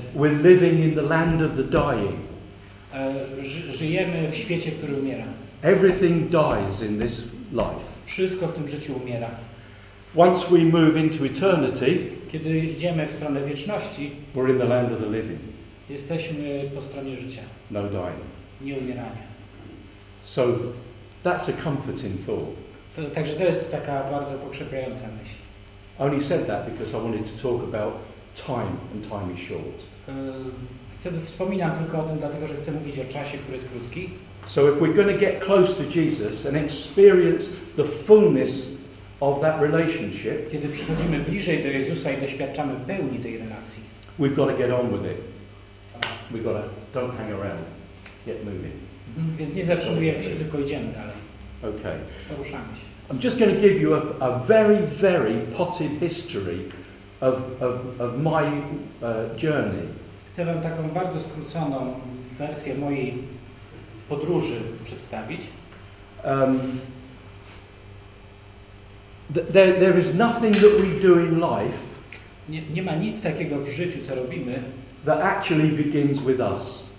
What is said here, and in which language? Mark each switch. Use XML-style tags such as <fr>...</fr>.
<en>we're living in the land of the dying.</en> <pl>Żyjemy w świecie, który umiera.</pl> <en>Everything dies in this life.</en> <pl>Wszystko w tym życiu umiera.</pl> <en>Once we move into eternity,</en> <pl>kiedy idziemy w stronę wieczności,</pl> <en>we're in the land of the living.</en> <pl>Jesteśmy po stronie życia.</pl> <en>No dying.</en> <pl>Nie umierania.</pl> <en>So that's a comforting thought.</en> <pl>Także to jest taka bardzo pokrzepiająca myśl.</pl> <en>I only said that because I wanted to talk about time and time is short.</en> <pl>Wspominam tylko o tym dlatego, że chcę mówić o czasie, który jest krótki.</pl> <en>So if we're going to get close to Jesus and experience the fullness of that relationship,</en> <pl>kiedy przychodzimy bliżej do Jezusa i doświadczamy pełni tej relacji,</pl> <en>we've got to get on with it. We've got to don't hang around, get moving.</en> <pl>Więc nie zatrzymujemy się, tylko idziemy dalej.</pl> <en>Okay.</en> <pl>Poruszamy się.</pl> <en>I'm just going to give you a very, very potted history of my journey.</en> <pl>Chcę wam taką bardzo skróconą wersję mojej podróży przedstawić.</pl> <en>There is nothing that we do in life.</en> <pl>Nie ma nic takiego w życiu, co robimy.</pl> <en>That actually begins with us.</en>